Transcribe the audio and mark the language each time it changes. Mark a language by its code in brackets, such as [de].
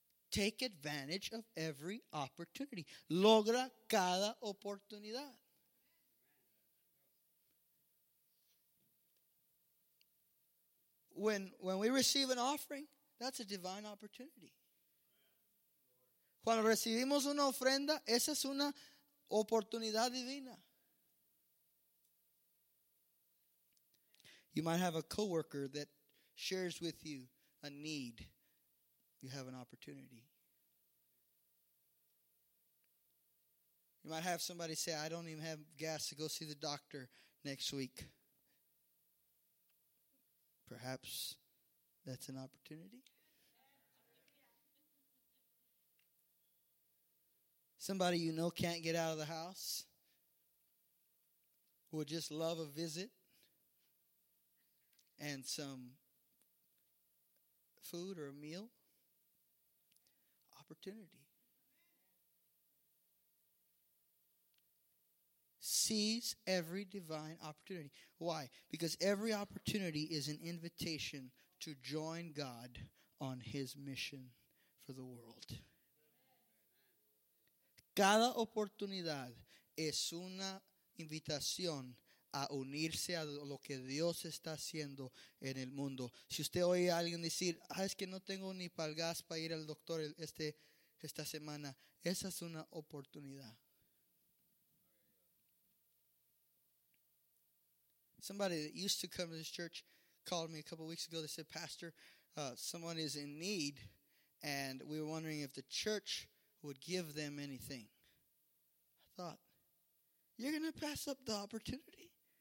[en] Take advantage of every opportunity. [es] Logra cada oportunidad. [en] When we receive an offering, that's a divine opportunity. [es] Cuando recibimos una ofrenda, esa es una oportunidad divina. [en] You might have a coworker that shares with you a need. You have an opportunity. You might have somebody say, I don't even have gas to go see the doctor next week. Perhaps that's an opportunity. Somebody you know can't get out of the house. Would just love a visit. And some food or a meal. Opportunity. Seize every divine opportunity. Why? Because every opportunity is an invitation to join God on His mission for the world. [es] Cada oportunidad es una invitación a unirse a lo que Dios está haciendo en el mundo. Si usted oye a alguien decir, ah, es que no tengo ni para el gas para ir al doctor esta semana, esa es una oportunidad. [en] Somebody that used to come to this church called me a couple weeks ago. They said, Pastor, someone is in need, and we were wondering if the church would give them anything. I thought, you're going to pass up the opportunity?